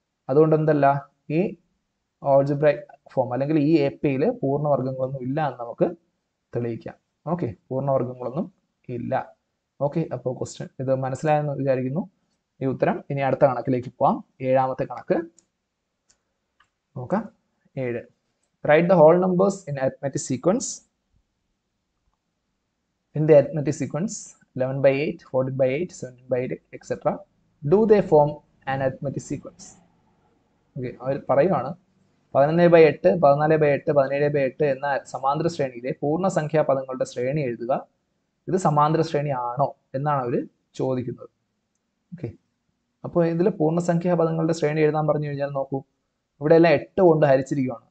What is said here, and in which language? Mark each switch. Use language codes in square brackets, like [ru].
[ml] അതുകൊണ്ട് എന്തല്ല, ഈ ഓൾജിബ്രൈക് ഫോം അല്ലെങ്കിൽ ഈ APയിൽ പൂർണ്ണ വർഗ്ഗങ്ങളൊന്നും ഇല്ല എന്ന് നമുക്ക് തെളിയിക്കാം. ഓക്കെ, പൂർണ്ണ വർഗ്ഗങ്ങളൊന്നും ഇല്ല. ഓക്കെ, അപ്പോൾ ക്വസ്റ്റ്യൻ ഇത് മനസ്സിലായെന്ന് വിചാരിക്കുന്നു ഈ ഉത്തരം. ഇനി അടുത്ത കണക്കിലേക്ക് പോവാം, 7-ാമത്തെ കണക്ക് നോക്കാം. 7. [en] Write the whole numbers in arithmetic sequence. In the arithmetic sequence, 11 by 8, 14 by 8, 17 by 8, etc. Do they form an arithmetic sequence? [ml] Okay, അവർ പറയുകയാണ്, 11/8, 14/8, 17/8 എന്ന സമാന്തര ശ്രേണിയിലെ പൂർണ്ണസംഖ്യാ പദങ്ങളുടെ ശ്രേണി എഴുതുക, ഇത് സമാന്തര ശ്രേണി ആണോ എന്നാണ് അവർ ചോദിക്കുന്നത്. ഓക്കെ, അപ്പോൾ ഇതിൽ പൂർണ്ണസംഖ്യാ പദങ്ങളുടെ ശ്രേണി എഴുതാൻ പറഞ്ഞു കഴിഞ്ഞാൽ നോക്കൂ, ഇവിടെ എല്ലാം 8 കൊണ്ട് ഹരിച്ചിരിക്കുകയാണ്.